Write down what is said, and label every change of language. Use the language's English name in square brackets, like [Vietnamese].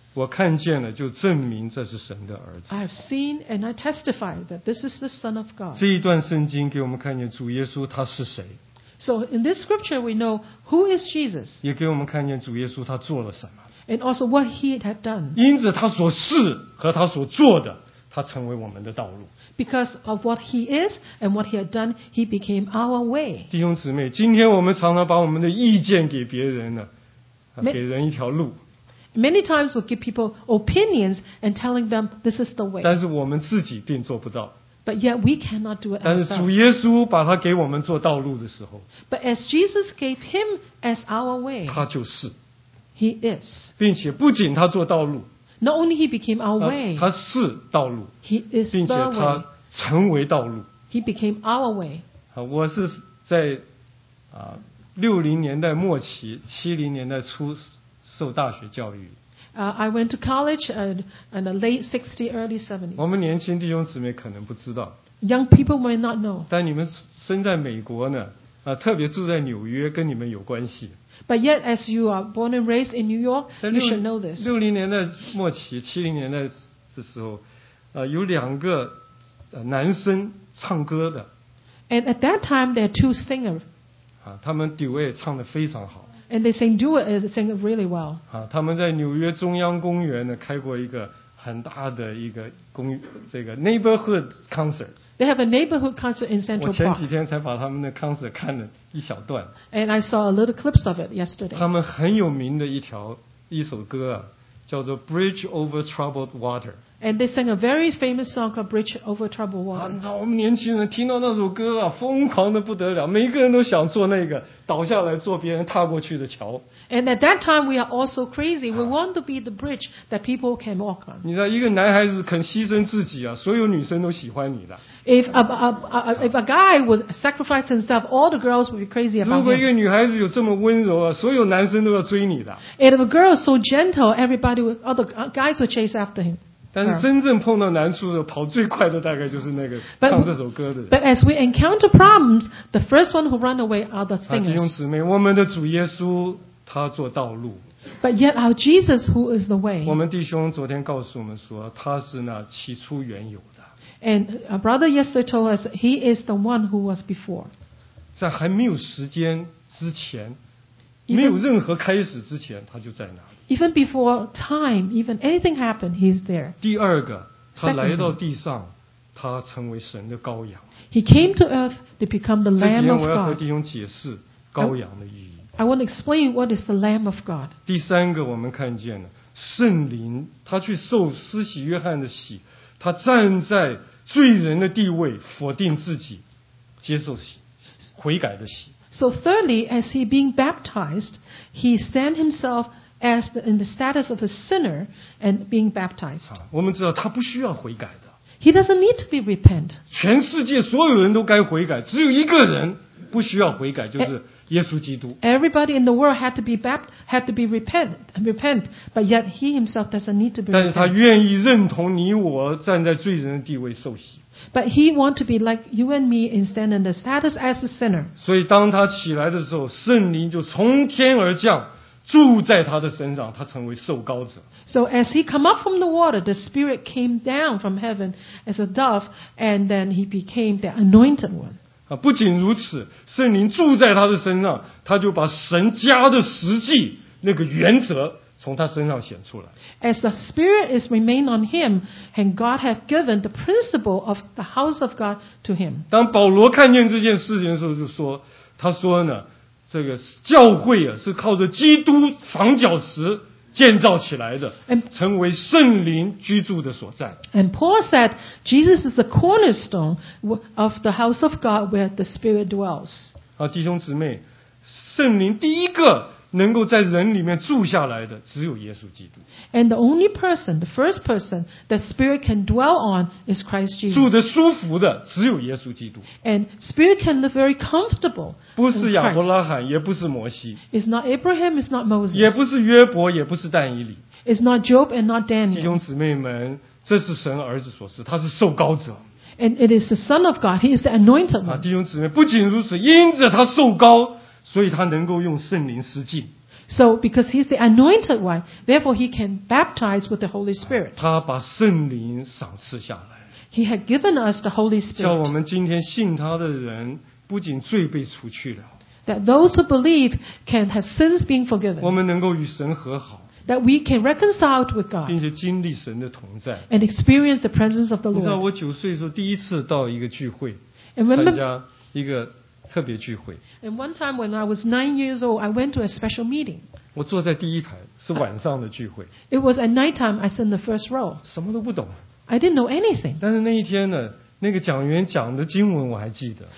[Chinese] 我看见了就证明这是神的儿子 [English] I have seen and I testify that this is the Son of God [Chinese] 这一段圣经给我们看见主耶稣他是谁 [English] So in this scripture we know who is Jesus [Chinese] 也给我们看见主耶稣他做了什么 [English] And also what he had done. [Chinese] 因着他所是和他所做的，他成为我们的道路。 [English] Because of what he is and what he had done, he became our way. [Chinese] 弟兄姊妹，今天我们常常把我们的意见给别人了，给人一条路。 [English] Many times we give people opinions and telling them this is the way. [Chinese] 但是我们自己并做不到。 [English] But yet we cannot do it ourselves. [Chinese] 但是主耶稣把他给我们做道路的时候 [English] ，But as Jesus gave him as our way, [Chinese] 他就是。 [English] He is. [Chinese] 并且不仅他做道路 [English] Not only he became our way. [Chinese] 他是道路 [English] He is the way. [Chinese] 并且他成为道路 [English] He became our way. [Chinese] 我是在60年代末期70年代初受大学教育 [English] I went to college in the late 60s, early 70s. [Chinese] 我们年轻弟兄姊妹可能不知道 [English] Young people may not know. [Chinese] 但你们生在美国呢特别住在纽约跟你们有关系 [English] But yet as you are born and raised in New York You should know this [Chinese] 60年代末期70年代的时候有两个男生唱歌的 [English] And at that time there are two singers [Chinese] 他们 duet 唱得非常好 [English] And they sing duet and sing really well [Chinese] 他们在纽约中央公园呢开过一个很大的一个这个 [English] neighborhood concert They have a neighborhood concert in Central Park. [Chinese] 我前几天才把他们的 concert 看了一小段。 [English] And I saw a little clips of it yesterday. [Chinese] 他们很有名的一首歌叫做 Bridge Over Troubled Water. [English] And they sang a very famous song called Bridge Over Troubled Water. [Chinese] 啊，我们年轻人听到那首歌啊，疯狂的不得了，每一个人都想做那个倒下来做别人踏过去的桥。 [English] And at that time, we are also crazy. We want to be the bridge that people can walk on. [Chinese] 你知道，一个男孩子肯牺牲自己啊，所有女生都喜欢你的。 [English] If a guy would sacrifice himself, all the girls would be crazy about him. [Chinese] 如果一个女孩子有这么温柔啊，所有男生都要追你的。 [English] And if a girl is so gentle, everybody, all the guys would chase after him. [Chinese] 但是真正碰到难处的时候，跑最快的大概就是那个唱这首歌的人。 [English] But as we encounter problems, the first one who run away are the singers. [Chinese] 弟兄姊妹，我们的主耶稣他做道路。 [English] But yet our Jesus who is the way. [Chinese] 我们弟兄昨天告诉我们说，他是那起初原有的。 [English] And a brother yesterday told us he is the one who was before. [Chinese] 在还没有时间之前，没有任何开始之前，他就在那。 [English] Even before time, even anything happened, he's there. [Chinese] 第二个，他来到地上，他成为神的羔羊。 [English] He came to earth to become the Lamb of God. [Chinese] 这几天我要和弟兄解释羔羊的意义。 [English] I want to explain what is the Lamb of God. [Chinese] 第三个，我们看见了圣灵，他去受施洗约翰的洗，他站在罪人的地位，否定自己，接受洗，悔改的洗。 [English] So thirdly, as he being baptized, he stand himself. As the, in the status of a sinner and being baptized. [Chinese] 我们知道他不需要悔改的。 [English] He doesn't need to be repent. [Chinese] 全世界所有人都该悔改，只有一个人不需要悔改，就是耶稣基督。 [English] Everybody in the world had to be baptized, had to be repent, but yet he himself doesn't need to be repent. [Chinese] 但是他愿意认同你我站在罪人的地位受洗。 [English] But he want to be like you and me in standing the status as a sinner. [Chinese] 所以当他起来的时候，圣灵就从天而降。住在他的身上，他成为受膏者。 [English] So as he come up from the water, the Spirit came down from heaven as a dove, and then he became the anointed one. [Chinese] 不仅如此，圣灵住在他的身上，他就把神家的实际那个原则从他身上显出来。 [English] As the Spirit is remain on him, and God have given the principle of the house of God to him. [Chinese] 当保罗看见这件事情的时候，就说，他说呢。这个教会啊，是靠着基督房角石建造起来的，成为圣灵居住的所在。 [English] And Paul said, Jesus is the cornerstone of the house of God where the Spirit dwells. [Chinese] 啊，弟兄姊妹，圣灵第一个能够在人里面住下来的，只有耶稣基督。 [English] And the only person, the first person that Spirit can dwell on is Christ Jesus. [Chinese] 住得舒服的，只有耶稣基督。 [English] And Spirit can live very comfortable. [Chinese] 不是亚伯拉罕，也不是摩西。 [English] It's not Abraham, it's not Moses. [Chinese] 也不是约伯，也不是但以理。 [English] It's not Job and not Daniel. [Chinese] 弟兄姊妹们，这是神儿子所赐，他是受膏者。 [English] And it is the Son of God, He is the anointed one. [Chinese] 啊，弟兄姊妹，不仅如此，因着他受膏。所以他能够用圣灵施浸。 [English] So because he's the anointed one, therefore he can baptize with the Holy Spirit. [Chinese] 他把圣灵赏赐下来。 [English] He had given us the Holy Spirit. [Chinese] 叫我们今天信他的人，不仅罪被除去了。 [English] That those who believe can have sins being forgiven. [Chinese] 我们能够与神和好。 [English] That we can reconcile with God. [Chinese] 并且经历神的同在。 [English] And experience the presence of the Lord. [Chinese] 你知道我九岁的时候第一次到一个聚会，参加一个。特别聚会。 [English] And one time when I was 9 years old, I went to a special meeting. [Chinese] 我坐在第一排，是晚上的聚会。 [English] It was at night time. I sat in the first row. [Chinese] 什么都不懂。 [English] I didn't know anything. [Chinese] 但是那一天呢，那个讲员讲的经文我还记得。